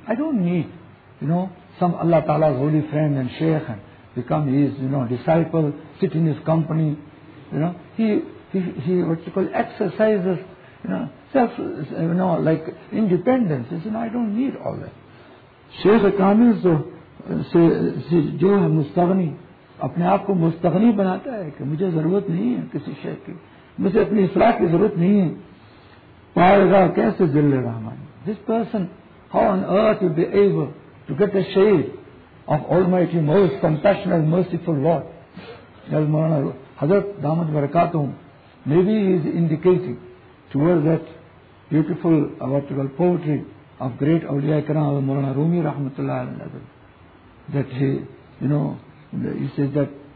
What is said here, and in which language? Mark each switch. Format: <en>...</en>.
<en>I don't need, you know, some Allah Ta'ala's holy friend and shaykh and become his, you know, disciple, sit in his company, you know. He what you call, exercises, you know, self, you know, like independence. He says, no, I don't need all that.</en> <ur>Shaykh Kamil says, جو ہے مستغنی, اپنے آپ کو مستغنی بناتا ہے کہ مجھے ضرورت نہیں ہے کسی شیخ کی, مجھے اپنی اصلاح کی ضرورت نہیں ہے, پائے گا کیسے ذل رحمان.</ur> <en>This person, how on earth will be able to get the shade of almighty, most compassionate, merciful Lord? Hazrat Damat Barakatum, maybe he is indicating towards that beautiful vertical poetry of great awliya ikram Mawlana Rumi rahmatullah alayhi, that he, you know, he says that</en>